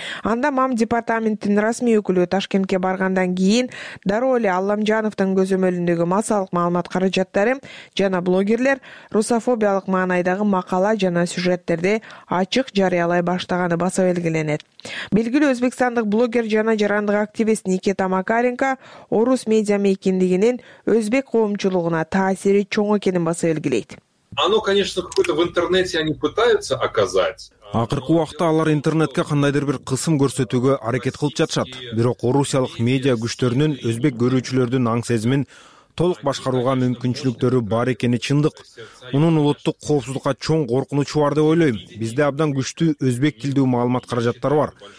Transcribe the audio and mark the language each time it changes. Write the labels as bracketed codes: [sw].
[ky] Анда мам департаментинин расмий өкүлү Ташкентке баргандан кийин дароо эле Алламжановдун көзөмөлүндөгү массалык маалымат каражаттары жана блогерлер русофобиялык маанайдагы макала жана сюжеттерди ачык жарыялай баштаганы баса белгиленет. Белгилүү өзбекстандык блогер жана жарандык активист Никита Макаренко орус медиа мейкиндигине өзбек коомчулугуна таасири чоң экенин баса белгилейт. [ru] Оно, конечно, какое-то в интернете они пытаются оказать. [ky] Акыркы убакта алар интернетке кандайдыр бир кысым көрсөтүүгө аракет кылып жатышат. Бирок орусиялык медиа күчтөрүнүн өзбек көрүүчүлөрдүн аң сезимин толук башкарууга мүмкүнчүлүктөрү бар экени чындык. Мунун улуттук коопсуздукка чоң коркунучу бар деп ойлойм. Бизде абдан күчтүү өзбек тилдүү маалымат каражаттары бар.